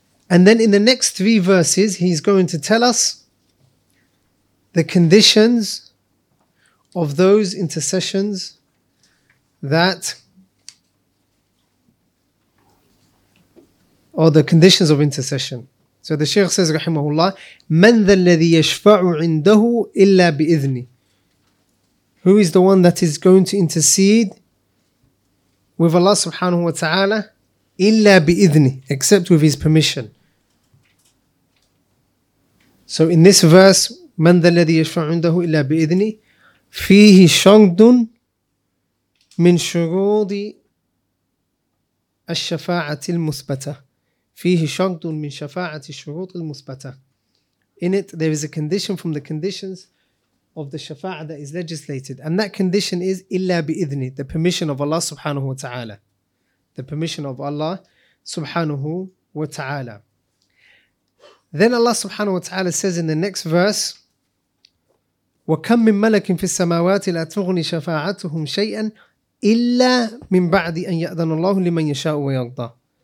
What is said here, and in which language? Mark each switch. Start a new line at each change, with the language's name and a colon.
English: And then in the next three verses, he's going to tell us the conditions of those intercessions that, or the conditions of intercession. So the Shaykh says, rahimahullah,
Arabic: من ذا الذي يشفع عنده إلا بإذني.
English: Who is the one that is going to intercede with Allah subhanahu wa ta'ala,
Arabic: إلا بإذني,
English: except with his permission. So in this verse,
Arabic: من ذا الذي يشفع عنده إلا بإذني, فيه شرط من شروط الشفاعة المثبتة. فيه شرط من شفاعة الشروط المثبتة.
English: In it, there is a condition from the conditions of the shafa'ah that is legislated. And that condition is
Arabic: إِلَّا بِإِذْنِ,
English: the permission of Allah subhanahu wa ta'ala. The permission of Allah subhanahu wa ta'ala. Then Allah subhanahu wa ta'ala says in the next verse,
Arabic: وَكَمْ مِن مَلَكٍ فِي السَّمَاوَاتِ لَا تُغْنِي شَفَاعَتُهُمْ شَيْئًا إِلَّا مِن بَعْدِ أَن يَأْذَنَ اللَّهُ لِمَن يَشَاءُ وَيَرْضَى.